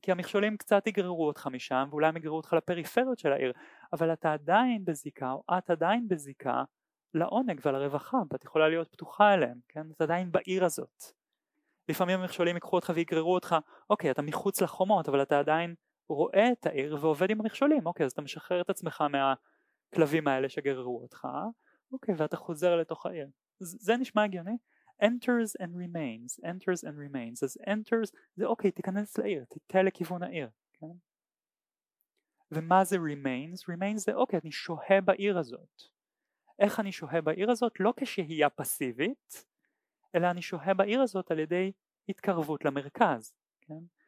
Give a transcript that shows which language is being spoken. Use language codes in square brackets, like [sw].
[he] כי המכשולים קצת יגררו אותך משם, ואולי הם יגררו אותך לפריפריות של העיר, אבל אתה עדיין בזיקה, או את עדיין בזיקה לעונג ולרווחה, ואת יכולה להיות פתוחה אליהם, כן? אתה עדיין בעיר הזאת. לפעמים המכשולים יקחו אותך ויגררו אותך, אוקיי, אתה מחוץ לחומות, אבל אתה עדיין רואה את העיר ועובד עם המכשולים, אוקיי, אז אתה משחרר את עצמך מהכלבים האלה שגררו אותך, אוקיי, ואתה חוזר לתוך העיר. זה נשמע הגיוני? [en] Enters and remains, enters and remains. [he] אז enters זה אוקיי, תיכנס לעיר, תיטה לכיוון העיר, כן? ומה זה remains? Remains זה אוקיי, אני שוהה בעיר הזאת. איך אני שוהה בעיר הזאת? לא כשהיה פסיבית, אלא אני שוהה בעיר הזאת על ידי התקרבות למרכז, כן?